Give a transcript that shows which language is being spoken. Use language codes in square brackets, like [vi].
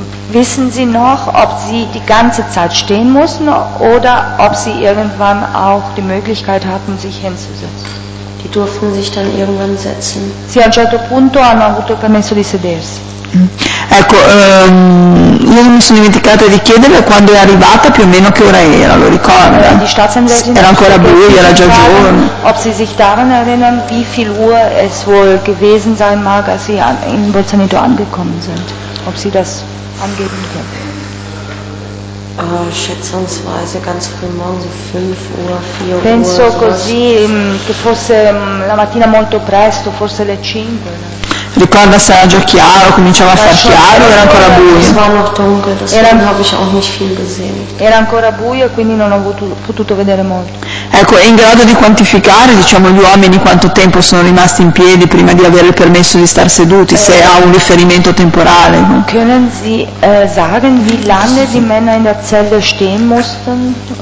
[de] Wissen Sie noch, ob Sie die ganze Zeit stehen mussten oder ob Sie irgendwann auch die Möglichkeit hatten, sich hinzusetzen? Die durften sich dann irgendwann setzen. [it] Sì, a un certo punto hanno avuto permesso di sedersi. Ecco, io mi sono dimenticata di chiedere quando è arrivata più o meno che ora era, lo ricorda? Era ancora buio, era già giorno. [de] Ob sie sich daran erinnern, wie viel Uhr es wohl gewesen sein mag, als sie in Bolzaneto angekommen sind. Ob sie das angeben können. Schätzungsweise ganz früh morgens, 5 Uhr, 4 Uhr. [it] Penso sowas. Così, che fosse la mattina molto presto, forse le 5. Ricorda se era già chiaro, cominciava a far chiaro, era ancora buio. Era ancora buio, quindi non ho potuto vedere molto. Ecco, è in grado di quantificare, diciamo, gli uomini quanto tempo sono rimasti in piedi prima di avere il permesso di star seduti, se ha un riferimento temporale? [de] Können Sie sagen, wie lange die Männer in der Zelle stehen mussten?